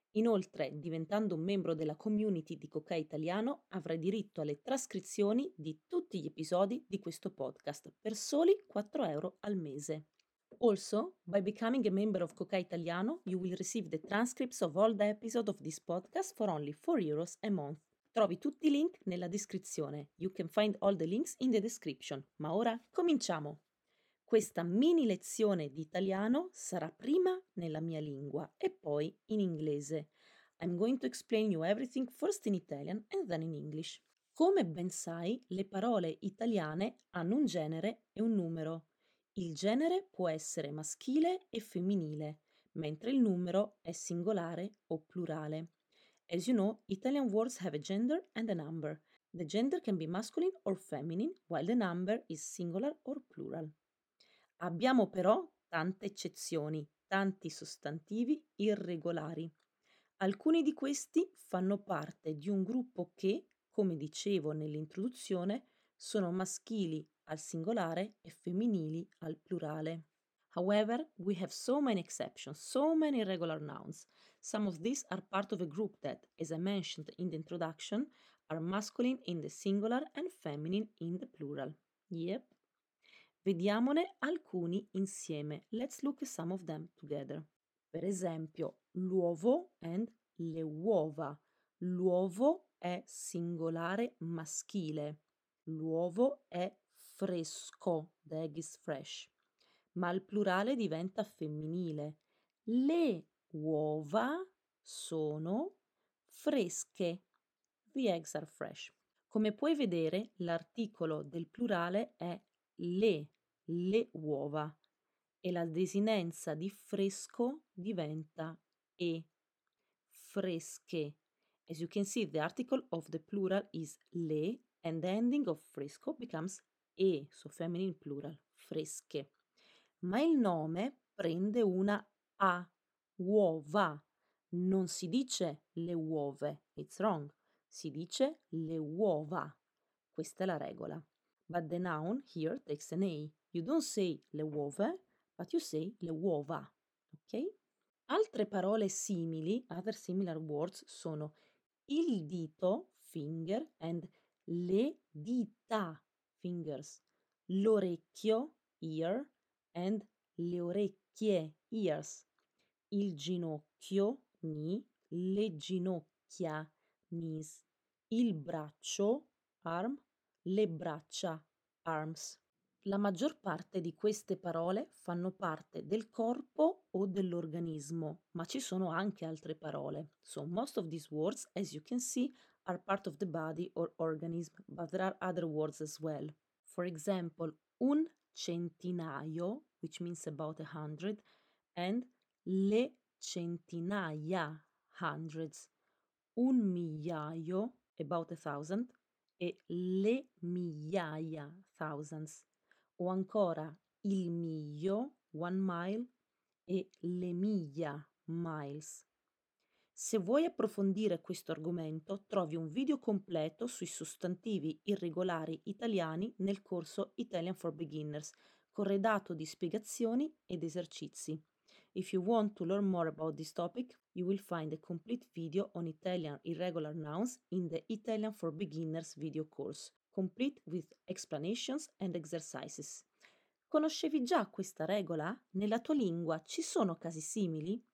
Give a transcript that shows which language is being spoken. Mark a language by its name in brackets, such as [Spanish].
[Italian] Inoltre, diventando un membro della community di Cocai Italiano, avrai diritto alle trascrizioni di tutti gli episodi di questo podcast per soli 4 euro al mese. [English] Also, by becoming a member of Cocai Italiano, you will receive the transcripts of all the episodes of this podcast for only 4 euros a month. [Italian] Trovi tutti I link nella descrizione. [English] You can find all the links in the description. [Italian] Ma ora cominciamo! Questa mini lezione di italiano sarà prima nella mia lingua e poi in inglese. [English] I'm going to explain you everything first in Italian and then in English. [Italian] Come ben sai, le parole italiane hanno un genere e un numero. Il genere può essere maschile e femminile, mentre il numero è singolare o plurale. [English] As you know, Italian words have a gender and a number. The gender can be masculine or feminine, while the number is singular or plural. [Italian] Abbiamo però tante eccezioni, tanti sostantivi irregolari. Alcuni di questi fanno parte di un gruppo che, come dicevo nell'introduzione, sono maschili al singolare e femminili al plurale. [English] However, we have so many exceptions, so many irregular nouns. Some of these are part of a group that, as I mentioned in the introduction, are masculine in the singular and feminine in the plural. [Italian] Yep. Vediamone alcuni insieme. [English] Let's look at some of them together. [Italian] Per esempio, [English] l'uovo and le uova. [Italian] L'uovo è singolare maschile. L'uovo è fresco. [English] The egg is fresh. [Italian] Ma il plurale diventa femminile. Le uova sono fresche. [English] The eggs are fresh. [Italian] Come puoi vedere, l'articolo del plurale è le uova, e la desinenza di fresco diventa e, fresche. [English] As you can see, the article of the plural is le, and the ending of fresco becomes e, so feminine plural, fresche. [Italian] Ma il nome prende una a, uova, non si dice le uova, [English] it's wrong, [Italian] si dice le uova, questa è la regola. [English] But the noun here takes an a. You don't say le uova, but you say le uova, ok? [Italian] Altre parole simili, [English] other similar words, [Italian] sono il dito, finger, and le dita, fingers. L'orecchio, ear, and le orecchie, ears. Il ginocchio, knee, le ginocchia, knees. Il braccio, arm, le braccia, arms. La maggior parte di queste parole fanno parte del corpo o dell'organismo, ma ci sono anche altre parole. [English] So most of these words, as you can see, are part of the body or organism, but there are other words as well. For example, un centinaio, which means about 100, and le centinaia, hundreds. [Italian] Un migliaio, about 1,000, e le migliaia, thousands. o ancora il miglio, 1 mile, e le miglia, miles. Se vuoi approfondire questo argomento, trovi un video completo sui sostantivi irregolari italiani nel corso Italian for Beginners, corredato di spiegazioni ed esercizi. [English] If you want to learn more about this topic, you will find a complete video on Italian irregular nouns in the Italian for Beginners video course, complete with explanations and exercises. [Italian] Conoscevi già questa regola? Nella tua lingua ci sono casi simili?